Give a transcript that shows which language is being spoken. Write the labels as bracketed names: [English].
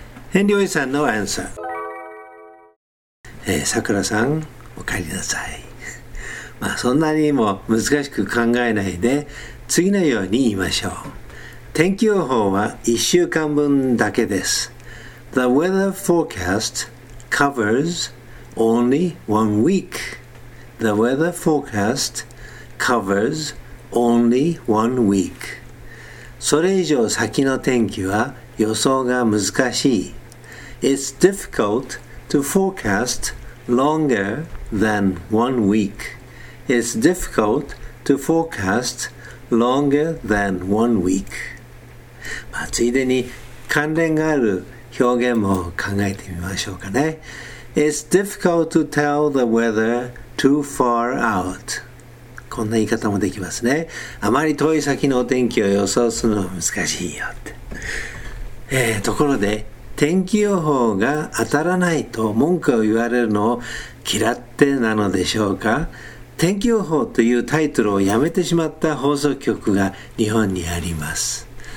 [Japanese] ヘンリーおじさんのアンサー。さくらさん、お帰りなさい。まあそんなにも難しく考えないで次のように言いましょう。天気予報は1週間分だけです。 [English] The weather forecast covers only 1 week. The weather forecast covers only 1 week. [Japanese] それ以上先の天気は予想が難しい。 [English] It's difficult to forecast longer than 1 week. It's difficult to forecast longer than 1 week. [Japanese] まあ、ついでに関連がある表現も考えてみましょうかね。 [English] It's difficult to tell the weather too far out. [Japanese] こんな言い方もできますね。あまり遠い先のお天気を予想するのは難しいよって。ところで、天気予報が当たらないと文句を言われるのを嫌ってなのでしょうか。天気予報というタイトルをやめてしまった放送局が日本にあります。